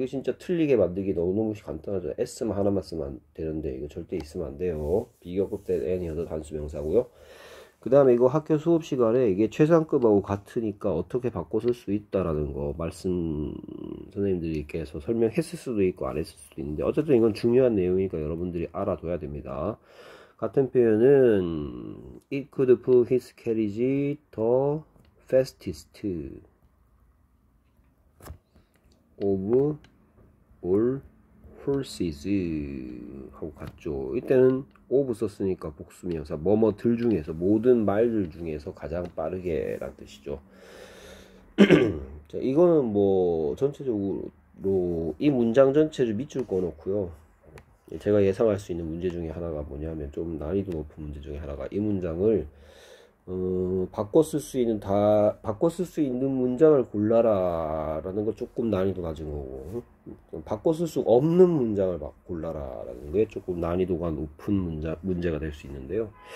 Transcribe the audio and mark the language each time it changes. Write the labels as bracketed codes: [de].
[ko] 이거 진짜 틀리게 만들기 너무너무 간단하죠. s만 하나만 쓰면 되는데 이거 절대 있으면 안 돼요. 비교급 된 any other 단수명사고요. 그 다음에 이거 학교 수업 시간에 이게 최상급하고 같으니까 어떻게 바꿔 쓸수 있다라는 거 말씀 선생님들께서 설명했을 수도 있고 안 했을 수도 있는데, 어쨌든 이건 중요한 내용이니까 여러분들이 알아둬야 됩니다. 같은 표현은 [en] it could pull his carriage the fastest of all horses [ko] 하고 같죠. 이때는 of 썼으니까 복수명사 뭐뭐들 중에서 모든 말들 중에서 가장 빠르게 란 뜻이죠. 자, 이거는 뭐 전체적으로 이 문장 전체를 밑줄 꺼놓고요. 제가 예상할 수 있는 문제 중에 하나가 뭐냐면, 좀 난이도 높은 문제 중에 하나가 이 문장을 바꿔 쓸수 있는 다 바꿔 쓸수 있는 문장을 골라라라는 거 조금 난이도 낮은 거고, 바꿔 쓸수 없는 문장을 막 골라라라는 게 조금 난이도가 높은 문제가 될수 있는데요.